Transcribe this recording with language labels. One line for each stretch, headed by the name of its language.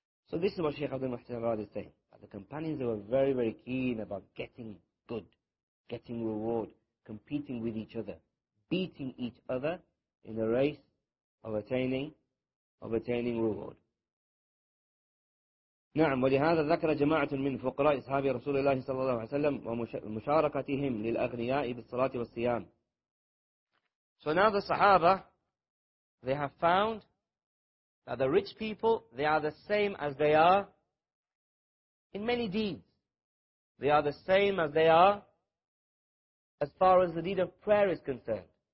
English: So this is what Shaykh Abdul Muhsin Rad is saying. The companions, they were very, very keen about getting good, getting reward, competing with each other, beating each other in the race of attaining reward.
Arabic: نعم ولهذا ذكر جماعة من فقراء أصحاب رسول الله صلى الله عليه وسلم ومشاركتهم للأغنياء بالصلاة والصيام.
English: So now the Sahaba, they have found that the rich people, they are the same as they are in many deeds. They are the same as they are as far as the deed of prayer is concerned.